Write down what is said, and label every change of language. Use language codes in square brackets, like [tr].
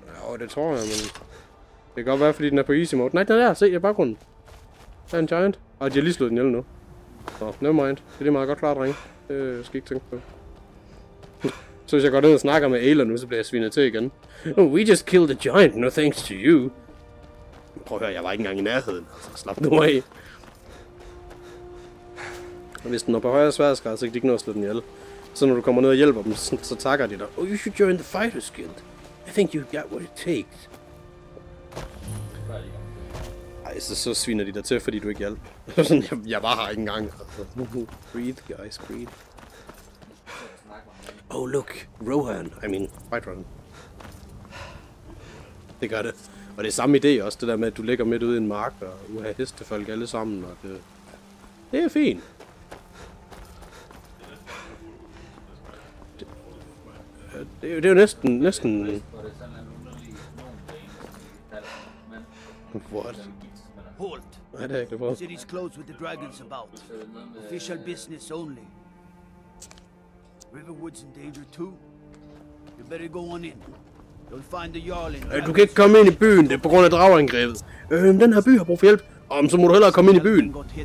[da] Jo, det tror jeg, men... Det kan godt være, fordi den er på easy mode. Nej, den er der. Se, det er baggrunden. Der er en giant. Og de har lige slået den hjem nu. Så, [en] never mind. [da] Det er lige meget godt klart, drenge. Det skal ikke tænke på. Så hvis jeg går ned og snakker med Ayla nu, så bliver jeg svinet til igen. [en] We just killed a giant, no thanks to you. [da] Prøv at høre, jeg var ikke engang i nærheden. Slap nu af. Og hvis den er på højere sværdesgrad, så kan de ikke nå at slå den ihjel. Så når du kommer ned og hjælper dem, så takker de dig. [en] Oh, you should join the fighters guild. I think you got what it takes. [da] Ej, så sviner de dig til, fordi du ikke hjælp. Sådan, jeg var her ikke engang. [en] Breathe, guys, breathe. Oh, look. Rohan. I mean, Whiterun. [da] Det gør det. Og det er samme idé også, det der med, at du ligger midt ude i en mark, og du har heste folk alle sammen, og det... Det er fint. Det er jo næsten... [en] What? Halt! City's closed with the dragons about. Official business only. Riverwood's in danger too. You better go on in. You'll find the Jarl in. [da] Du kan ikke komme ind i byen, det er på grund af drageangrebet. Den her by har brug for hjælp. Jamen, så må du hellere komme ind i byen.